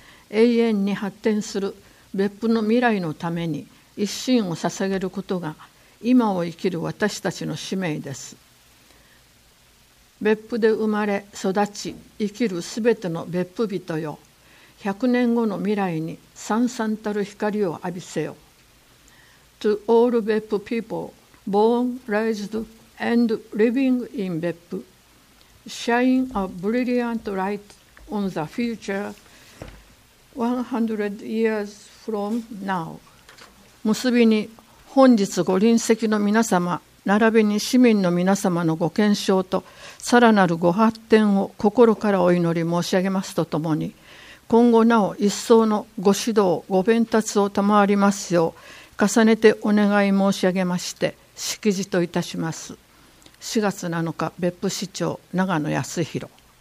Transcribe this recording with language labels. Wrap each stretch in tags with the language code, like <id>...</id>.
<ja>永遠に発展する別府の未来のために一心を捧げることが今を生きる私たちの使命です。別府で生まれ育ち生きるすべての別府人よ、 100年後の未来にさんさんたる光を浴びせよ。</ja> <en>To all BEP people born, raised and living in BEP, shine a brilliant light on the future 100 years from now.</en> <ja>結びに、本日ご臨席の皆様並びに市民の皆様のご健勝とさらなるご発展を心からお祈り申し上げますとともに、今後なお一層のご指導ご鞭撻を賜りますよう重ねてお願い申し上げまして、式辞といたします。4月7日、別府市長、長野康弘。</ja>